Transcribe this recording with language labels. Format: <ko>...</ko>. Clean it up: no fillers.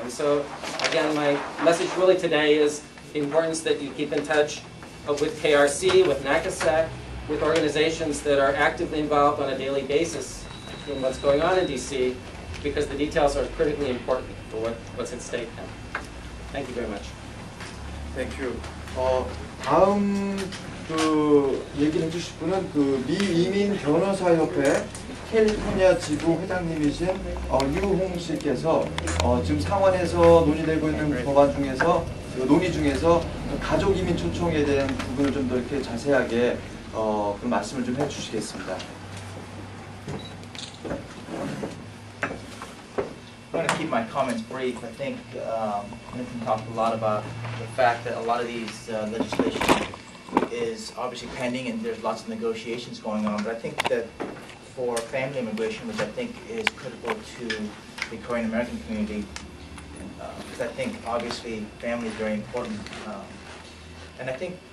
<en>And so, again, my message really today is the importance that you keep in touch with KRC, with NACASAC, with organizations that are actively involved on a daily basis in what's going on in D.C., because the details are critically important for what's at stake now. Thank you very much. Thank you.</en> <ko>다음 그 얘기를 해주실 분은 그 미 이민 변호사협회 캘리포니아 지부 회장님이신 유홍 씨께서 지금 상원에서 논의되고 있는 법안 중에서 그 논의 중에서 가족 이민 초청에 대한 부분을 좀 더 이렇게 자세하게 그 말씀을 좀 해주시겠습니다.</ko> <en>I'm going to keep my comments brief. I think Nathan talked a lot about the fact that a lot of these legislation is obviously pending and there's lots of negotiations going on. But I think that for family immigration, which I think is critical to the Korean American community, because I think obviously family is very important. And I think</en>